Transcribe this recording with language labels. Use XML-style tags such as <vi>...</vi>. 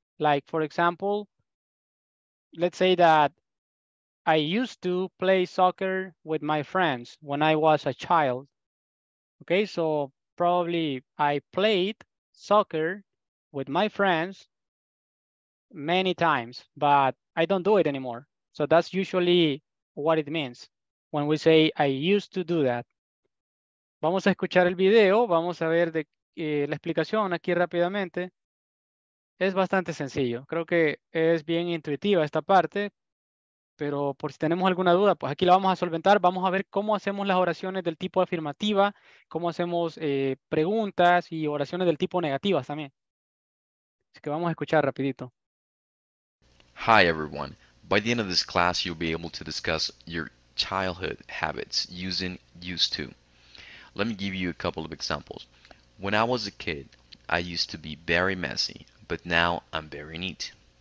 <en>Like, for example, let's say that I used to play soccer with my friends when I was a child. Okay, so probably I played soccer with my friends many times, but I don't do it anymore. So that's usually what it means when we say I used to do that.</en> <es>Vamos a escuchar el video, vamos a ver de la explicación aquí rápidamente. Es bastante sencillo. Creo que es bien intuitiva esta parte, pero por si tenemos alguna duda, pues aquí la vamos a solventar. Vamos a ver cómo hacemos las oraciones del tipo afirmativa, cómo hacemos preguntas y oraciones del tipo negativas también. Así que vamos a escuchar rapidito.</es> <en>Hi, everyone. By the end of this class, you'll be able to discuss your childhood habits using used to. Let me give you a couple of examples. When I was a kid, I used to be very messy, but now I'm very neat.</en>